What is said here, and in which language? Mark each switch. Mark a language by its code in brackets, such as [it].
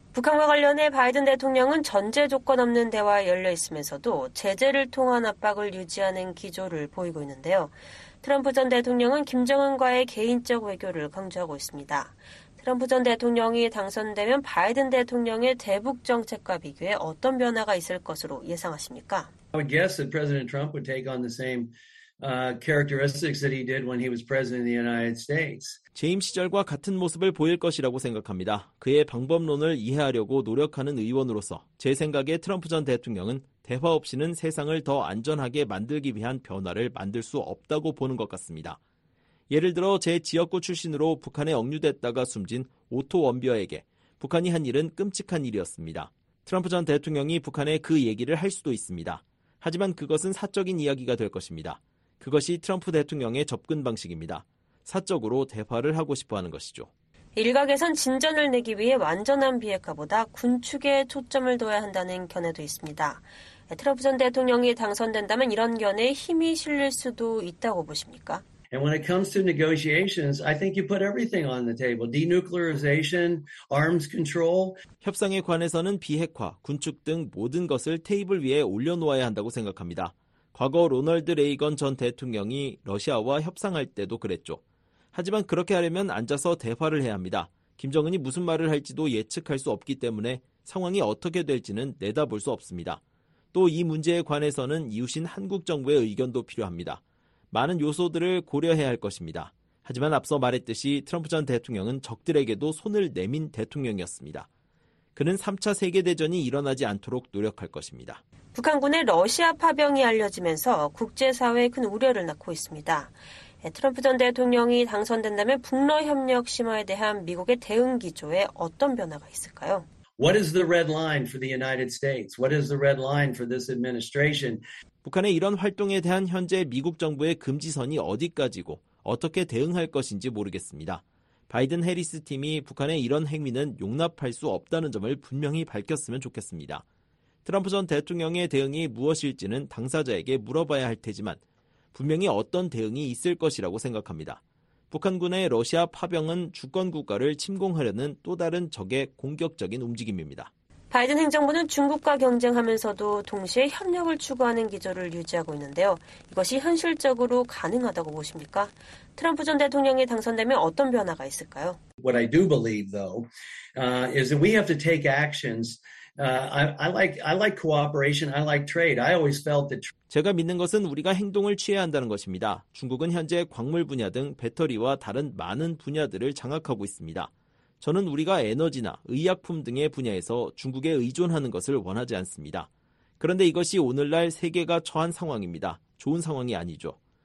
[ko] 북한과 관련해 바이든 대통령은 전제 조건 없는 대화에 열려 있으면서도 제재를 통한 압박을 유지하는 기조를 보이고 있는데요. 트럼프 전 대통령은 김정은과의 개인적 외교를 강조하고 있습니다. 트럼프 전 대통령이 당선되면 바이든 대통령의 대북 정책과 비교해 어떤 변화가 있을 것으로 예상하십니까? [en] I would guess that President Trump would take on the same characteristics that he did when he was president of the United States. [ko] 재임 시절과 같은 모습을 보일 것이라고 생각합니다. 그의 방법론을 이해하려고 노력하는 의원으로서 제 생각에 트럼프 전 대통령은 대화 없이는 세상을 더 안전하게 만들기 위한 변화를 만들 수 없다고 보는 것 같습니다. 예를 들어 제 지역구 출신으로 북한에 억류됐다가 숨진 오토 원비어에게 북한이 한 일은 끔찍한 일이었습니다. 트럼프 전 대통령이 북한에 그 얘기를 할 수도 있습니다. 하지만 그것은 사적인 이야기가 될 것입니다. 그것이 트럼프 대통령의 접근 방식입니다. 사적으로 대화를 하고 싶어하는 것이죠. 일각에선 진전을 내기 위해 완전한 비핵화보다 군축에 초점을 둬야 한다는 견해도 있습니다. 트럼프 전 대통령이 당선된다면 이런 견해에 힘이 실릴 수도 있다고 보십니까? [en] And when it comes to negotiations, I think you put everything on the table. Denuclearization, arms control. [ko] 협상에 관해서는 비핵화, 군축 등 모든 것을 테이블 위에 올려놓아야 한다고 생각합니다. 과거 로널드 레이건 전 대통령이 러시아와 협상할 때도 그랬죠. 하지만 그렇게 하려면 앉아서 대화를 해야 합니다. 김정은이 무슨 말을 할지도 예측할 수 없기 때문에 상황이 어떻게 될지는 내다볼 수 없습니다. 또 이 문제에 관해서는 이웃인 한국 정부의 의견도 필요합니다. 많은 요소들을 고려해야 할 것입니다. 하지만 앞서 말했듯이 트럼프 전 대통령은 적들에게도 손을 내민 대통령이었습니다. 그는 3차 세계대전이 일어나지 않도록 노력할 것입니다. 북한군의 러시아 파병이 알려지면서 국제사회에 큰 우려를 낳고 있습니다. 트럼프 전 대통령이 당선된다면 북러 협력 심화에 대한 미국의 대응 기조에 어떤 변화가 있을까요? [en] What is the red line for the United States? What is the red line for this administration? [ko] 북한의 이런 활동에 대한 현재 미국 정부의 금지선이 어디까지고 어떻게 대응할 것인지 모르겠습니다. 바이든 해리스 팀이 북한의 이런 행위는 용납할 수 없다는 점을 분명히 밝혔으면 좋겠습니다. 트럼프 전 대통령의 대응이 무엇일지는 당사자에게 물어봐야 할 테지만 분명히 어떤 대응이 있을 것이라고 생각합니다. 북한군의 러시아 파병은 주권 국가를 침공하려는 또 다른 적의 공격적인 움직임입니다. 바이든 행정부는 중국과 경쟁하면서도 동시에 협력을 추구하는 기조를 유지하고 있는데요. 이것이 현실적으로 가능하다고 보십니까? 트럼프 전 대통령이 당선되면 어떤 변화가 있을까요? [en] What I do believe though is that we have to take actions. I like cooperation. I like trade. I always felt that [ko] 제가 믿는 것은 우리가 행동을 취해야 한다는 것입니다. 중국은 현재 광물 분야 등 배터리와 다른 많은 분야들을 장악하고 있습니다. 저는 우리가 에너지나 의약품 등의 분야에서 중국에 의존하는 것을 원하지 않습니다. 그런데 이것이 오늘날 세계가 처한 상황입니다. 좋은 상황이 아니죠.